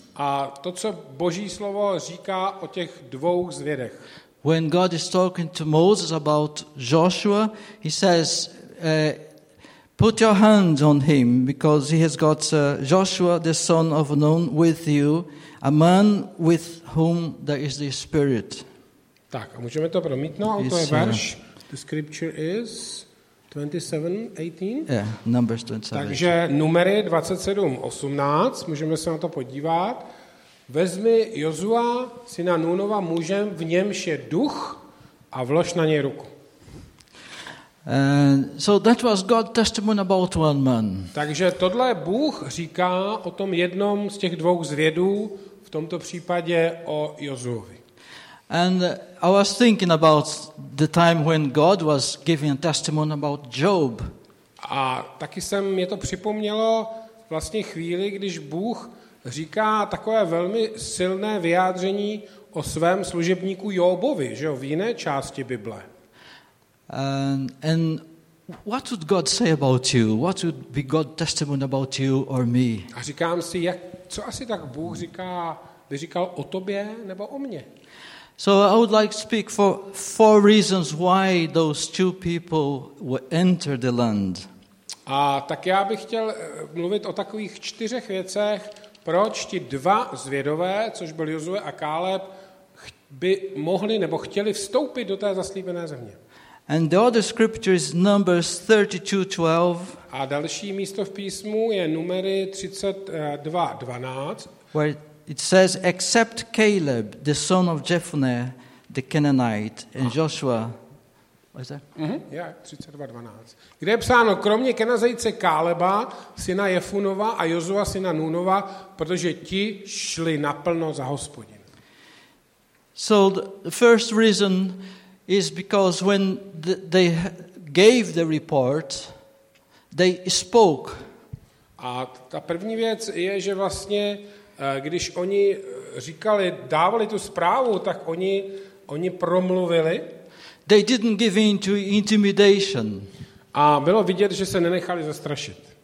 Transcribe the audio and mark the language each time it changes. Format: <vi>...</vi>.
<cs>A to, co Boží slovo říká o těch dvou zvědech.</cs> <en>When God is talking to Moses about Joshua, he says, put your hands on him because he has got Joshua, the son of Nun, with you, a man with whom there is the Spirit.</en> <cs>Tak, a můžeme to promítnout, to je verš.</cs> <en>The scripture is 27:18. Yeah, Numbers 27.</en> <cs>Takže Numery 27:18, můžeme se na to podívat. Vezmi Jozua, syna Nunova, mužem, v němž je duch, a vlož na něj ruku.</cs> <en>So that was God's testimony about one man.</en> <cs>Takže tohle Bůh říká o tom jednom z těch dvou zvědů, v tomto případě o Jozuovi.</cs> <en>And I was thinking about the time when God was giving a testimony about Job.</en> <cs>A taky jsem mě to připomnělo vlastně chvíli, když Bůh říká takové velmi silné vyjádření o svém služebníku Jobovi, že jo, v jiné části Bible.</cs> <en>And what would God say about you? What would be God's testimony about you or me?</en> <cs>A říkám si, jak, co asi tak Bůh říká, by říkal o tobě nebo o mně?</cs> <en>So I would like to speak for four reasons why those two people would enter the land.</en> <cs>A tak já bych chtěl mluvit o takových čtyřech věcech, proč ti dva zvědové, což byl Jozue a Káleb, by mohli nebo chtěli vstoupit do té zaslíbené země.</cs> <en>And the other scripture is Numbers 32:12.</en> <cs>A další místo v písmu je Numery 32:12.</cs> <en>Where it says, except Caleb, the son of Jephunneh, the Canaanite, and Joshua. What is that?</en> <cs>Mm-hmm. Yeah, 32:12. Kde je psáno, kromě Kenazejce Káleba, syna Jefunova a Jozua, syna Nunova, protože ti šli naplno za Hospodin.</cs> <en>So the first reason is because when they gave the report, they spoke.</en> <cs>A ta první věc je, že vlastně, když oni říkali, dávali tu zprávu, tak oni promluvili.</cs> <en>They didn't give in to intimidation.</en> <cs>A bylo vidět, že se nenechali zastrašit.</cs>